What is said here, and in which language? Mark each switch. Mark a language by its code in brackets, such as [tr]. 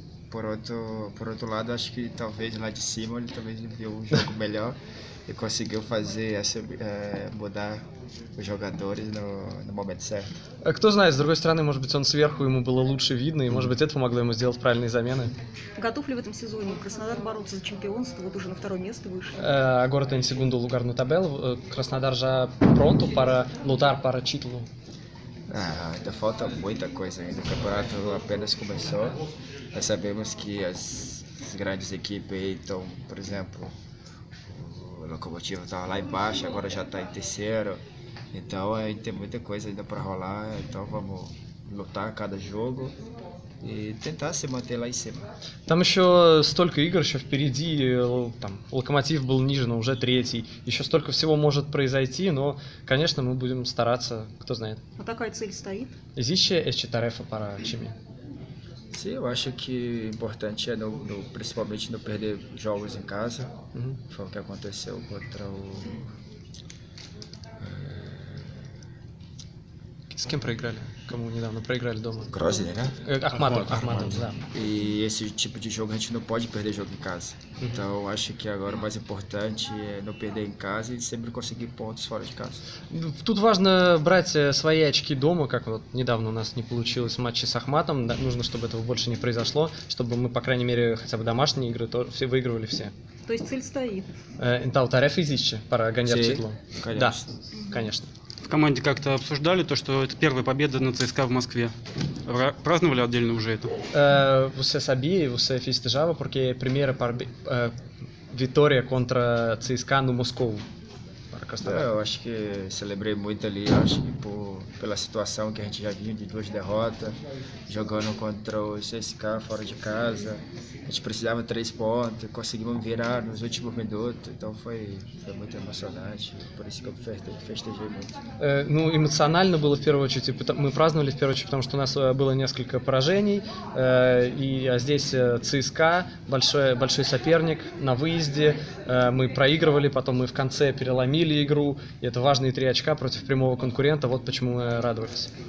[pt] Por outro lado, acho que talvez lá de cima ele talvez viu jogo melhor. E conseguiu fazer essa mudar os jogadores no momento certo. [ru] Кто знает, с другой стороны, может быть, он сверху ему было лучше видно, и может быть это помогло ему сделать правильные замены. Готов ли в этом сезоне Краснодар бороться за чемпионство? Вот уже на 2 место вышел. [pt] Agora tem segundo lugar no tabela. Краснодар já pronto para lutar para título? Ainda falta muita coisa ainda. O campeonato apenas começou. Nós sabemos que as grandes equipes estão, por exemplo. O locomotivo estava lá embaixo, agora já está em terceiro. Então aí tem muita coisa ainda para rolar. Então vamos lutar cada jogo e tentar se manter lá em cima. [ru] Там еще столько игр еще впереди. Там локомотив был ниже, но уже 3-й. Еще столько всего может произойти, но, конечно, мы будем стараться. Кто знает. А какая цель стоит? [pt] Existe esta tarefa para o time? Sim, eu acho que importante é, principalmente, não perder jogos em casa. Uhum. Foi o que aconteceu contra o... [ru] С кем проиграли? Кому недавно проиграли дома? Грозный, да? Ахматов, да. И этот тип [pt] de jogo, a gente não pode perder jogo em casa. Uhum. Então, acho que agora o mais importante é não perder em casa e sempre conseguir pontos fora de casa. [ru] Тут важно брать свои очки дома, как вот недавно у нас не получилось в матче с Ахматом. Нужно, чтобы этого больше не произошло, чтобы мы, по крайней мере, хотя бы домашние игры все выигрывали все. То есть цель стоит? [pt] Então, tarefa existe para ganhar título. [ru] Конечно. Да, конечно. В команде как-то обсуждали то, что это первая победа на ЦСКА в Москве. Праздновали отдельно уже это? [pt] Você sabia, você festejava, porque é a primeira vitória contra ЦСКА no Moscou. Eu acho que celebrei muito ali, acho que pela situação que a gente já vinha de duas derrotas, jogando contra o CSKA fora de casa, a gente precisava de três pontos, conseguimos virar nos últimos minutos, então foi muito emocionante, por isso que eu festejei muito. [ru] Ну, эмоционально было в первую очередь, мы праздновали в первую очередь, потому что у нас было несколько поражений, а здесь ЦСКА, большой соперник на выезде, мы проигрывали, потом мы в конце переломили игру, и это важные три очка против прямого конкурента, вот почему мы радовались.